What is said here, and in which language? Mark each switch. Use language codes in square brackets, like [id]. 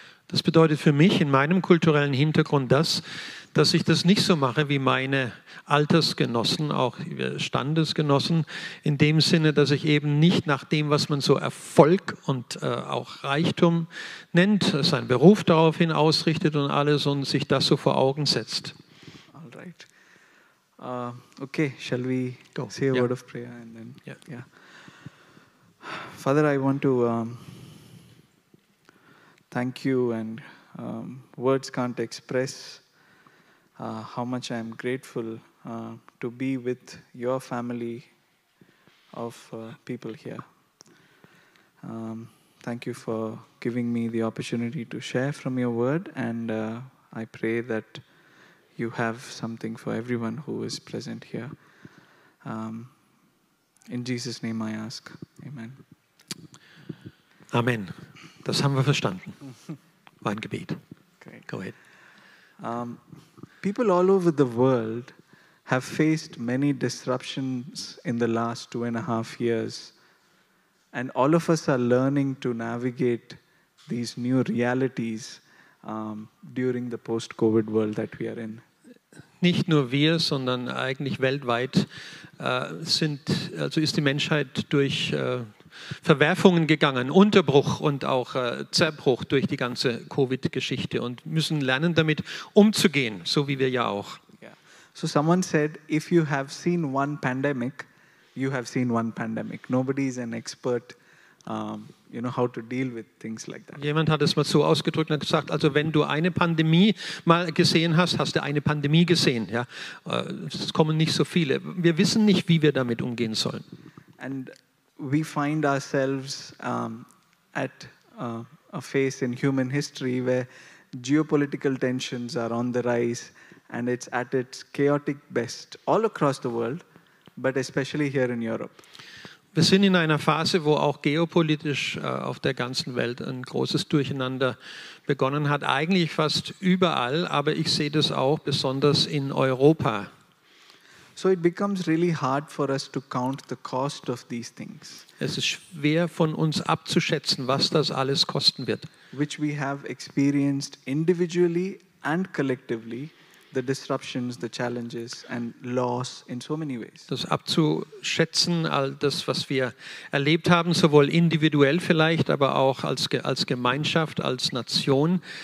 [de] Das bedeutet für mich in meinem kulturellen Hintergrund das, dass ich das nicht so mache wie meine Altersgenossen, auch Standesgenossen, in dem Sinne, dass ich eben nicht nach dem, was man so Erfolg und auch Reichtum nennt, seinen Beruf daraufhin ausrichtet und alles und sich das so vor Augen setzt. [en] All right. Okay, shall we go say a word of prayer and then Father, I want to thank you, and words can't express how much I am grateful to be with your family of people here. Thank you for giving me the opportunity to share from your word, and I pray that you have something for everyone who is present here. In Jesus' name I ask. Amen. [de] Amen. Das haben wir verstanden. War ein Gebet. [en] Great. Go ahead. People all over the world have faced many disruptions in the last 2.5 years. And all of us are learning to navigate these new realities during the post-COVID world that we are in. [de] Nicht nur wir, sondern eigentlich weltweit ist die Menschheit durch Verwerfungen gegangen, Unterbruch und auch Zerbruch durch die ganze Covid-Geschichte und müssen lernen, damit umzugehen, so wie wir ja auch. [en] Yeah. So someone said, if you have seen one pandemic, you have seen one pandemic. Nobody is an expert, you know, how to deal with things like that. [de] Jemand hat es mal so ausgedrückt und gesagt, also wenn du eine Pandemie mal gesehen hast, hast du eine Pandemie gesehen. Ja? Es kommen nicht so viele. Wir wissen nicht, wie wir damit umgehen sollen. [en] And we find ourselves at a phase in human history where geopolitical tensions are on the rise and it's at its chaotic best all across the world, but especially here in Europe. [de] Wir sind in einer Phase, wo auch geopolitisch auf der ganzen Welt ein großes Durcheinander begonnen hat. Eigentlich fast überall, aber ich sehe das auch besonders in Europa. [en] So it becomes really hard for us to count the cost of these things. [de] Es ist schwer von uns abzuschätzen, was das alles kosten wird. [en] Which we have experienced individually and collectively, the disruptions, the challenges and loss in so many ways. [de] Das abzuschätzen, all das, was wir erlebt haben, sowohl individuell vielleicht, aber auch als Gemeinschaft, als Nation.